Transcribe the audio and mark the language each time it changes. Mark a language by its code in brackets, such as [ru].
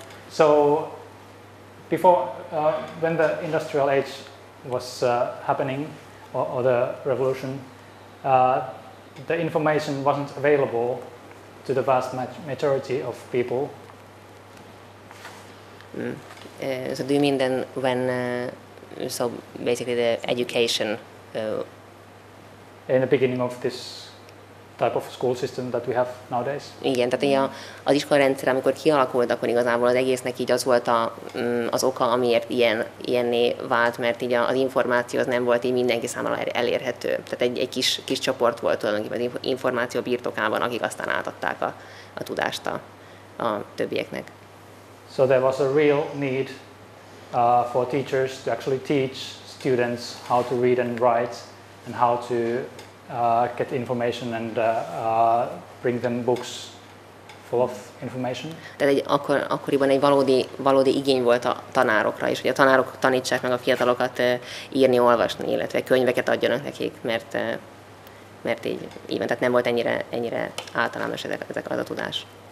[en] So, before, when the industrial age was happening, or the revolution, the information wasn't available to the vast majority of people. So do you mean then when, so basically the education in the beginning of this type of school system that we have nowadays. [hu] Igen, tehát az iskolarendszer, amikor kialakult, akkor igazából az egésznek így az volt az oka, amiért ilyenné vált, mert így az információ az nem volt így mindenki számára elérhető. Tehát egy kis csoport volt tulajdonképpen az információ birtokában, akik aztán átadták a tudást a többieknek. [en] So there was a real need for teachers to actually teach students how to read and write, and how to get information and bring them books full of information. [hu] Tehát akkoriban egy valódi igény volt a tanárokra is, hogy a tanárok tanítsák meg a fiatalokat írni, olvasni, illetve könyveket adjanak nekik, mert így igen, tehát nem volt ennyire általános ezek az a tudás.